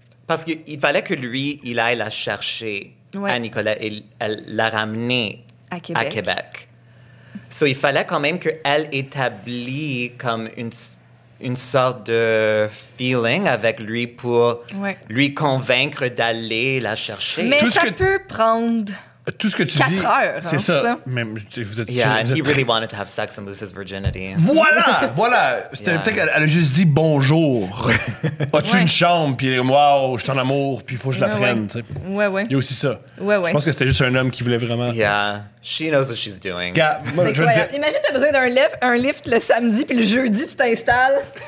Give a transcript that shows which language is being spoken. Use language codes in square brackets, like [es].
[fr] Parce qu'il fallait que lui, il aille la chercher à Nicolas et elle la ramener à Québec. So, il fallait quand même qu'elle établisse comme une sorte de feeling avec lui pour lui convaincre d'aller la chercher. Mais tout ça peut prendre tout ce que tu 4 dis, heures. C'est hein, ça. Même, vous êtes, [en] he really wanted to have sex and lose his virginity. [fr] Voilà, voilà. C'était peut-être qu'elle a juste dit bonjour. As-tu une chambre? Puis elle dit, waouh, je suis en amour, puis il faut que je la prenne. Ouais. Ouais, ouais. Il y a aussi ça. Ouais, ouais. Je pense que c'était juste un homme qui voulait vraiment. [en] Yeah. She knows what she's doing. [fr] Gap, moi, je veux dire... Imagine, t'as besoin d'un lift, le samedi, puis le jeudi, tu t'installes.